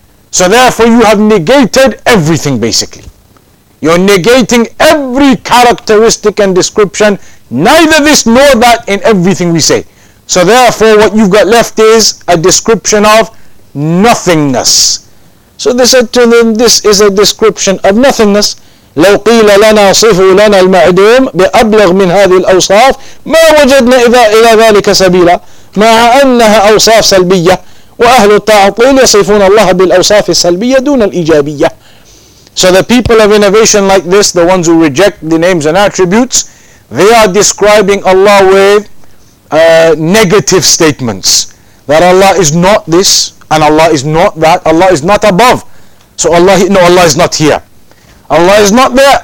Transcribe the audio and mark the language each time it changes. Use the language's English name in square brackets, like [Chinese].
[English] So therefore you have negated everything basically. You're negating every characteristic and description, neither this nor that in everything we say. So therefore what you've got left is a description of nothingness. So they said to them, this is a description of nothingness. [Arabic] لو قيل لنا صفوا لنا المعدوم بأبلغ من هذه الأوصاف ما وجدنا إذا إلى ذلك سبيلا مع أنها أوصاف سلبية وأهل التعطيل يصفون الله بالأوصاف السلبية دون الإيجابية. [English] So the people of innovation like this, the ones who reject the names and attributes, they are describing Allah with negative statements. That Allah is not this, And Allah is not that. Allah is not above. So Allah is not here. Allah is not there.